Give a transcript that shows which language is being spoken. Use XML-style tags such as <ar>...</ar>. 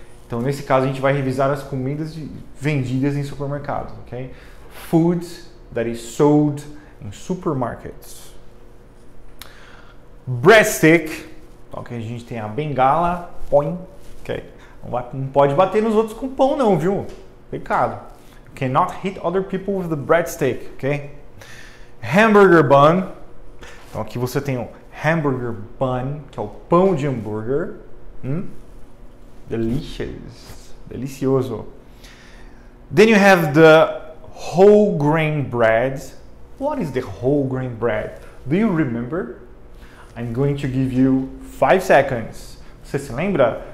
<pt>Então, nesse caso, a gente vai revisar as comidas vendidas em supermercados, ok?</pt> <en>Food that is sold in supermarkets. Breadstick.</en> <pt>Então, aqui a gente tem a bengala. Põe. Ok. Não pode bater nos outros com pão, não, viu? Pecado.</pt> <en>You cannot hit other people with the breadstick, ok? Hamburger bun.</en> <pt>Então, aqui você tem o hamburger bun, que é o pão de hambúrguer.</pt> <en>Delicious. Delicioso. Then you have the whole grain bread. What is the whole grain bread? Do you remember? I'm going to give you 5 seconds.</en> <pt>Você se lembra?</pt>